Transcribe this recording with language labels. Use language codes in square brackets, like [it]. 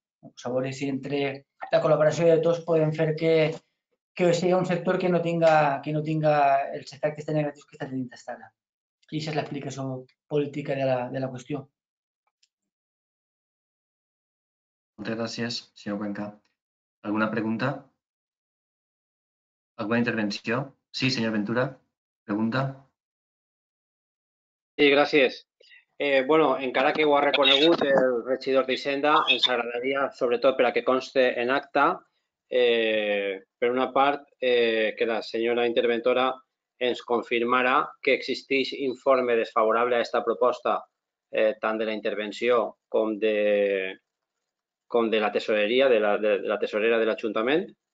[ca] Pues, a veure si entre la col·laboració de tots podem fer que sigui un sector que no tinga els efectes negatius que està tenint estada. I això és l'explicació política de la qüestió. Moltes gràcies, senyor Cuenca. Alguna pregunta? Alguna intervenció? [es] Sí, señor Ventura, pregunta. Sí, gracias. [ca] Bueno, encara que ho ha reconegut el regidor d'Hisenda, ens agradaria, sobretot per a que conste en acta, per una part, que la senyora interventora ens confirmara que existeix informe desfavorable a aquesta proposta, tant de la intervenció com de la tesoreria, de la tesorera de l'Ajuntament.